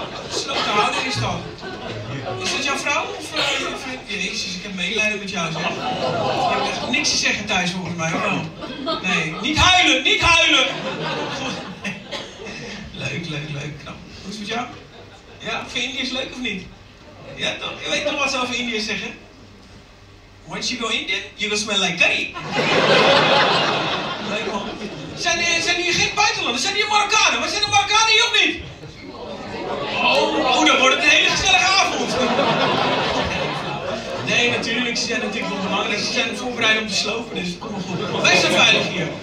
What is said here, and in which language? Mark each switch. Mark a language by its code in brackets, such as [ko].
[nl] Sloot te houden is dat. Is dat jouw vrouw? Of Jezus, ik heb medelijden met jou, zeg. Je hebt echt niks te zeggen thuis, volgens mij. Oh. Nee, niet huilen! Leuk, knap. Hoe is het met jou? Ja, vind je Indiërs leuk of niet? Ja, toch? Je weet toch wat ze over Indiërs zeggen? [en] Once you go Indian, you will smell like curry. [nl] Leuk man. Zijn hier geen buitenlanders? Zijn hier Marokkanen? Waar zijn de Marokkanen hier of niet? Oh, dan wordt het een hele gezellige avond. Nee, natuurlijk. Ze zijn natuurlijk wel belangrijk. Ze zijn voorbereid om te slopen, dus kom maar goed. Wij zijn veilig hier.